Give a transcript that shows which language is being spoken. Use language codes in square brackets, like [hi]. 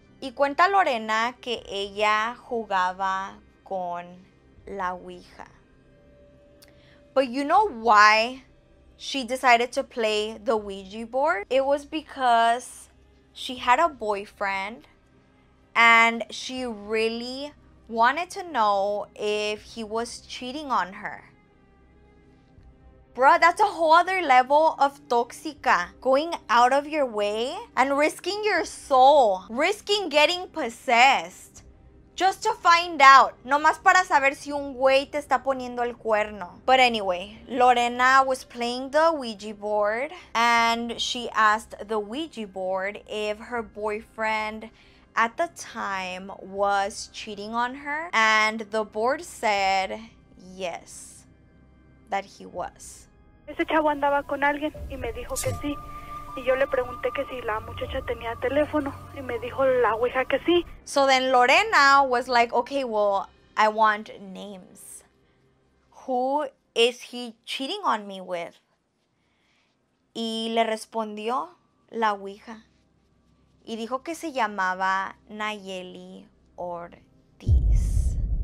[es] Y cuenta Lorena que ella jugaba con la Ouija. [en] But you know why she decided to play the Ouija board? It was because she had a boyfriend and she really wanted to know if he was cheating on her. Bruh, that's a whole other level of toxica. Going out of your way and risking your soul, risking getting possessed just to find out. [es] Nomás para saber si un güey te está poniendo el cuerno. [en] But anyway, Lorena was playing the Ouija board and she asked the Ouija board if her boyfriend at the time was cheating on her. And the board said yes, that he was. [es] Ese chavo andaba con alguien y me dijo que sí. Y yo le pregunté que si la muchacha tenía teléfono y me dijo la ouija que sí. [en] So then Lorena was like, okay, well, I want names. Who is he cheating on me with? [es] Y le respondió la ouija. Y dijo que se llamaba Nayeli Ortiz.